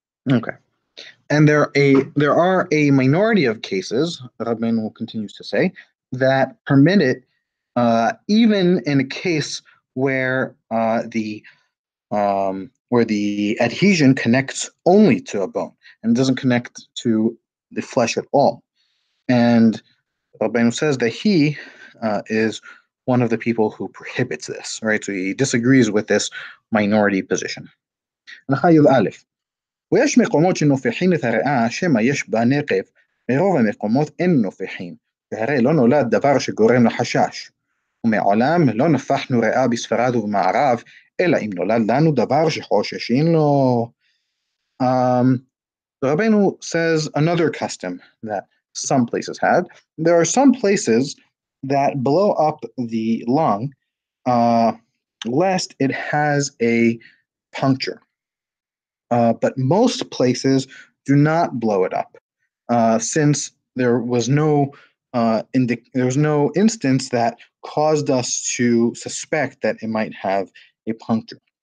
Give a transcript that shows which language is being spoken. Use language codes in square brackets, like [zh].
[en] Okay. And there are a minority of cases, Rabbeinu continues to say, that permit it even in a case where the adhesion connects only to a bone and doesn't connect to the flesh at all. And Rabbeinu says that he is one of the people who prohibits this, right? So he disagrees with this minority position. Nachayuv Aleph. [he] ויש מקומות שנופחים את הריאה, שמה יש בה נקב, מרוב המקומות אין נופחים, והרי לא נולד דבר שגורם לחשש. ומעולם לא נפחנו ריאה בספרד ובמערב, אלא אם נולד לנו דבר שחוששים לו. [en] Rabbeinu says another custom that some places had. There are some places that blow up the lung, lest it has a puncture. But most places do not blow it up, since there was no instance that caused us to suspect that it might have a puncture.